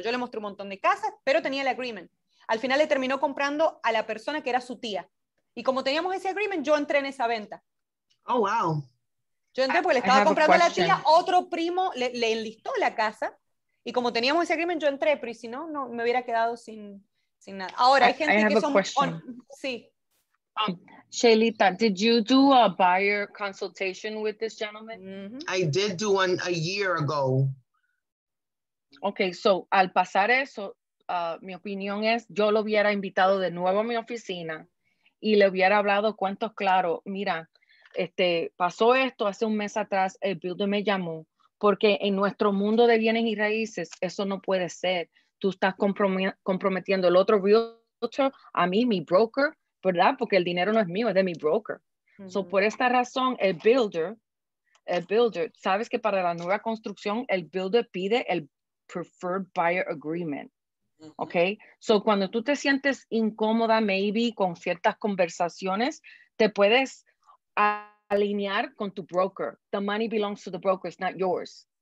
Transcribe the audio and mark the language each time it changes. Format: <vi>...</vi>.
<es>Yo le mostré un montón de casas, pero tenía el agreement. Al final le terminó comprando a la persona que era su tía. Y como teníamos ese agreement, yo entré en esa venta.</es> <en>Oh, wow.</en> <es>Yo entré porque le estaba comprando a la tía, otro primo le enlistó la casa. Y como teníamos ese agreement, yo entré, pero y si no, no me hubiera quedado sin nada. Ahora, hay gente que son... Sí.</es> <en>Shaylita, did you do a buyer consultation with this gentleman? Mm-hmm. I did do one a year ago.</en> <es>Okay, so al pasar eso, mi opinión es, yo lo hubiera invitado de nuevo a mi oficina. Y le hubiera hablado cuentos claros. Mira, pasó esto hace un mes atrás, el builder me llamó, porque en nuestro mundo de bienes y raíces, eso no puede ser. Tú estás comprometiendo el otro realtor, a mí, mi broker, ¿verdad? Porque el dinero no es mío, es de mi broker. Uh-huh. So, por esta razón, el builder, sabes que para la nueva construcción, el builder pide el preferred buyer agreement. Okay, so cuando tú te sientes incómoda, maybe con ciertas conversaciones, te puedes alinear con tu broker.</es> <en>The money belongs to the broker, it's not yours.</en>